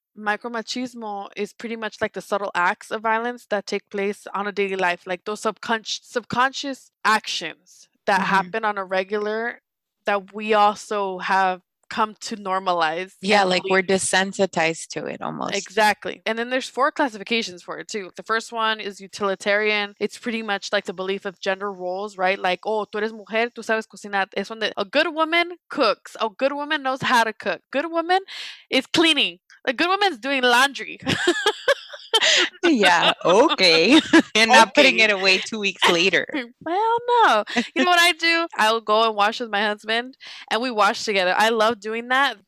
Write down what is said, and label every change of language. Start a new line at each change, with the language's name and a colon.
English: Micromachismo is pretty much like the subtle acts of violence that take place on a daily life, like those subconscious actions that happen on a regular that we also have come to normalize. Yeah, like we're desensitized to it almost. Exactly. And then there's four classifications for it too. The first one is utilitarian. It's pretty much like the belief of gender roles, right? Like, oh,
Spanish: tú eres mujer, tú sabes cocinar. Es donde
English: a good woman cooks. A good woman knows how to cook. Good woman is cleaning. A good woman's doing laundry. Yeah, okay. And not putting it away 2 weeks later. Well, no. You know what I do? I'll go and wash with my husband and we wash together. I love doing that.